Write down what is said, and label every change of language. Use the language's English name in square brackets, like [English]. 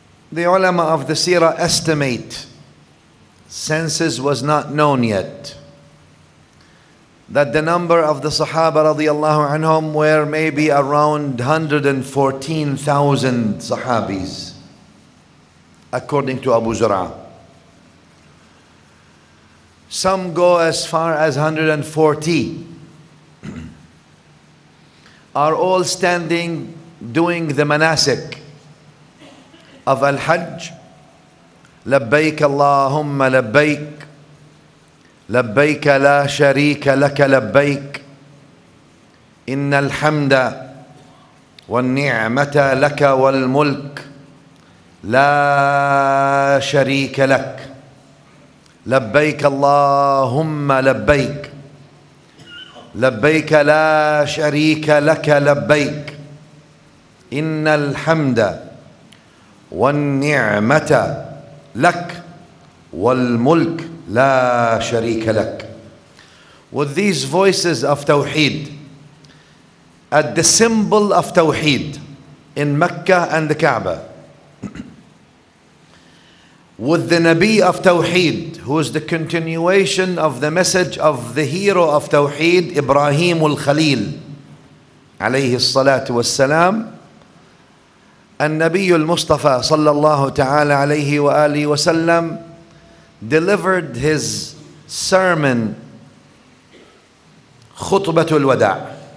[English] The ulama of the seerah estimate, census was not known yet, that the number of the Sahaba radiallahu anhum were maybe around 114,000 Sahabis, according to Abu Zura. Some go as far as 140. Are all standing doing the manasik of al-hajj. [Arabic] لبيك اللهم لبيك لبيك لا شريك لك لبيك إن الحمد والنعمة لك والملك لا شريك لك لبيك اللهم لبيك لبيك لا شريك لك لبيك إن الحمد والنعمة لك والملك لا شريك لك. [English] With these voices of Tawheed, at the symbol of Tawheed in Mecca and the Kaaba, with the Nabi of Tawheed, who is the continuation of the message of the hero of Tawheed, Ibrahim al-Khalil, alayhi salatu wassalam, [Arabic] النبي المصطفى صلى الله تعالى عليه وآله وسلم [English] delivered his sermon خطبة الوداع.